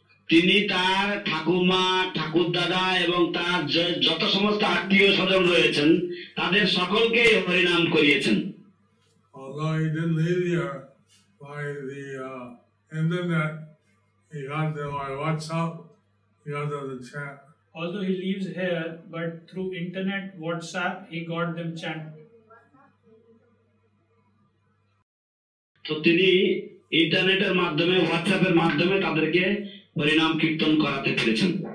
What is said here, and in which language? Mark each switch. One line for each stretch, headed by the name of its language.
Bangla: তিনি তার ঠাকুমা, ঠাকুর দাদা এবং তার যত সমস্ত আত্মীয় স্বজন রয়েছেন তাদের সকলকে হরিনাম করিয়েছেন।
English: Although he didn't live here, by the internet, he got them by WhatsApp, he got them the chant. Although he lives here, but through internet, WhatsApp, he got them chant.
Bangla: তো তিনি ইন্টারনেটের মাধ্যমে, হোয়াটসঅ্যাপের মাধ্যমে তাদেরকে পরিণাম কীর্তন করাতে পেরেছেন।